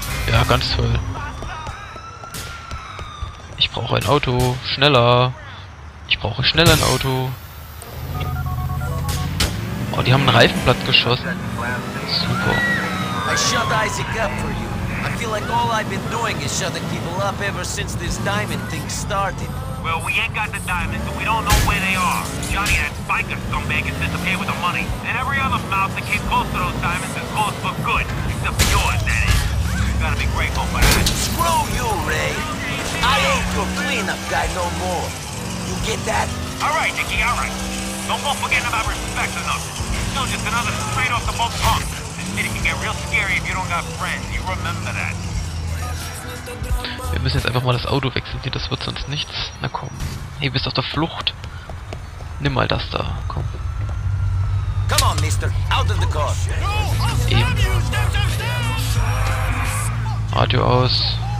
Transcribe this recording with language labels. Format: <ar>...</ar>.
<de>Ja, ganz toll. Ich brauche ein Auto. Schneller. Ich brauche schnell ein Auto. Oh, die haben einen Reifenblatt geschossen.</de> <en>Super. I shut Isaac up for you. I feel like all I've been doing is shutting people up ever since this diamond thing started. Well, we ain't got the diamonds, and we don't know where they are. Johnny, that spiker scumbag, is disappeared with the money. And every other mouth that came close to those diamonds is lost for good. Except for yours, that is. You gotta be grateful for that. Screw you, Ray. I ain't your cleanup guy no more. You get that? Alright, Dickie, alright. Don't go forgetting about respect or nothing. Still just another straight off the boat punk. This city can get real scary if you don't got friends. You remember that.</en> <de>Wir müssen jetzt einfach mal das Auto wechseln hier, das wird sonst nichts. Na komm. Hey, bist auf der Flucht. Nimm mal das da, komm.</de> <en>Come on, Mister. Out of the car.</en> <de>Radio aus.</de>